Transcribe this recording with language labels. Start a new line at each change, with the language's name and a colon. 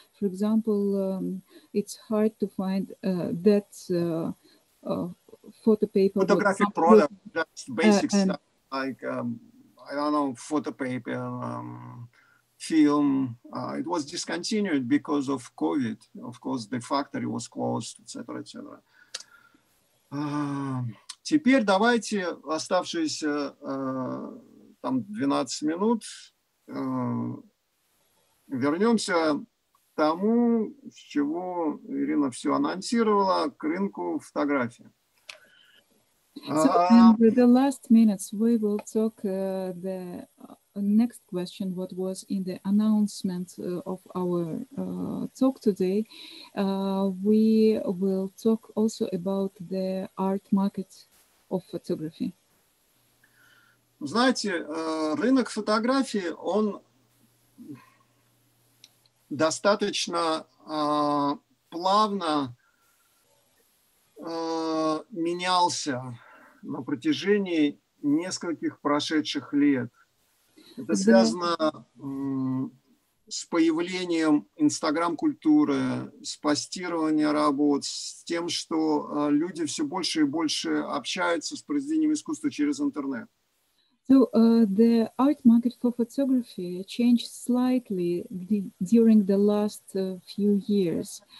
English: For example, it's hard to find that photo paper. Photographic product, that's basic stuff, like, I don't know, photo paper, film. It was discontinued because of COVID. Of course, the factory was closed, etc., etc.
Russian: Теперь давайте оставшиеся там 12 минут вернемся к тому, с чего Ирина все анонсировала, к рынку фотографии.
English: So in the last minutes, we will talk the next question, what was in the announcement of our talk today. We will talk also about the art market of photography.
Russian: Знаете, рынок фотографии, он достаточно плавно менялся на протяжении нескольких прошедших лет. Это связано с появлением инстаграм-культуры, с постированием работ, с тем, что люди все больше и больше общаются с произведениями искусства через интернет.
English: So the art market for photography changed slightly during the last few years.